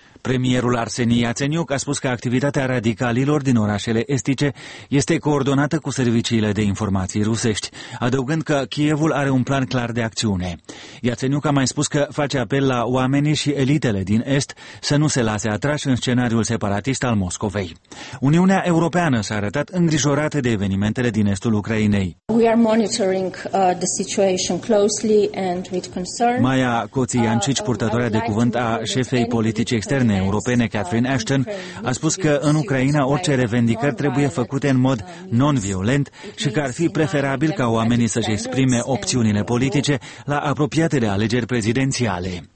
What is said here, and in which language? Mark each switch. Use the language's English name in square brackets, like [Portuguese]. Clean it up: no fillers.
[Romanian] Premierul Arseniy Yatsenyuk a spus că activitatea radicalilor din orașele estice este coordonată cu serviciile de informații rusești, adăugând că Kievul are un plan clar de acțiune. Yatsenyuk a mai spus că face apel la oamenii și elitele din est să nu se lase atrași în scenariul separatist al Moscovei. Uniunea Europeană s-a arătat îngrijorată de evenimentele din estul Ucrainei. [English] We are monitoring the situation closely and with concern. [Romanian] Maia Kotsyanchich, purtătoarea de cuvânt a șefei politicii externe europene, Catherine Ashton, a spus că în Ucraina orice revendicări trebuie făcute în mod non-violent și că ar fi preferabil ca oamenii să-și exprime opțiunile politice la apropiatele alegeri prezidențiale.